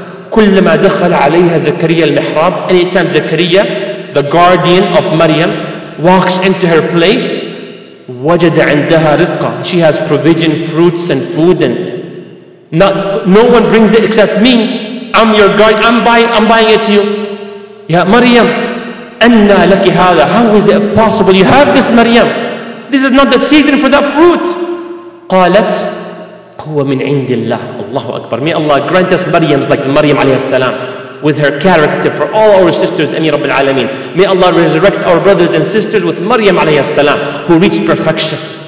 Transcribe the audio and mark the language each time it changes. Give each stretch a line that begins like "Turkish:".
Arabic: كُلَّمَا دَخَلَ عَلَيْهَا زَكَرِيَّ الْمِحْرَابِ.
English: Anytime Zakariya, the guardian of Maryam, walks into her place.
Arabic: وَجَدَ عِنْدَهَا رِزْقًا.
English: She has provision, fruits and food. And no one brings it except me. I'm your guardian. I'm buying it to you. Ya Maryam,
Arabic: أَنَّا لَكِ هَذَا.
English: How is it possible you have this, Maryam? This is not the season for that fruit.
Arabic: قَالَتْ هُوَ مِنْ عِنْدِ اللَّهِ.
English: Allahu Akbar. May Allah grant us Maryams like Maryam alayhi salam. With her character for all our sisters, Ami Rabbil Alameen. May Allah resurrect our brothers and sisters with Maryam alayhi salam, who reached perfection.